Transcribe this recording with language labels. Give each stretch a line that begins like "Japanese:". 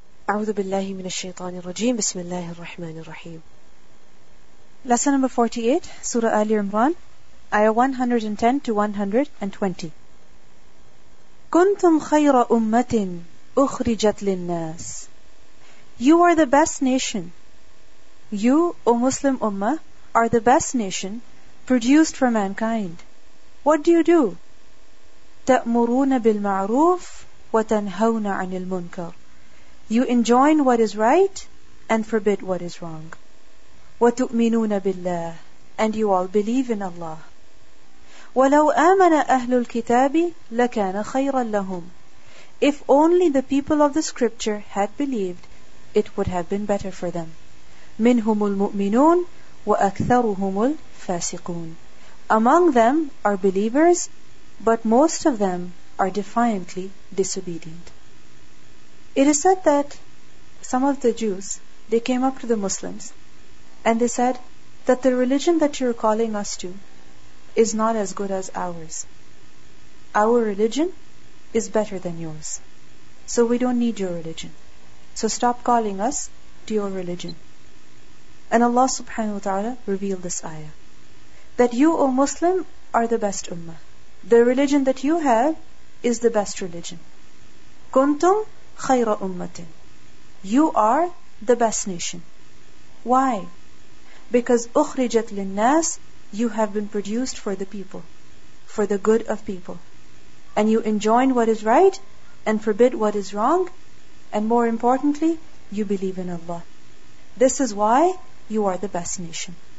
Arabic: أعوذ بالله من الشيطان الرجيم بسم الله الرحمن الرحيم.
English: Lesson number 48, Surah Ali Imran, Ayah 110 to 120.
Arabic: كنتم خير أمة أخرجت للناس.
English: You are the best nation. You, O Muslim Ummah, are the best nation produced for mankind. What do you do?
Arabic: تأمرون بالمعروف وتنهون عن المنكر.
English: You enjoin what is right and forbid what is wrong.
Arabic: وتؤمنون بالله,
English: and you all believe in Allah.
Arabic: ولو آمن أهل الكتاب لكان خيرا لهم.
English: If only the people of the scripture had believed, it would have been better for them.
Arabic: منهم المؤمنون وأكثرهم الفاسقون.
English: Among them are believers, but most of them are defiantly disobedient. It is said that some of the Jews, they came up to the Muslims and they said that the religion that you're calling us to is not as good as ours. Our religion is better than yours. So we don't need your religion. So stop calling us to your religion. And Allah subhanahu wa ta'ala revealed this ayah, that you, O Muslim, are the best ummah. The religion that you have is the best religion.
Arabic: Kuntum خَيْرَ أُمَّةٍ.
English: You are the best nation. Why? Because
Arabic: أُخْرِجَتْ لِلنَّاسِ,
English: you have been produced for the people, for the good of people. And you enjoin what is right and forbid what is wrong. And more importantly, you believe in Allah. This is why you are the best nation.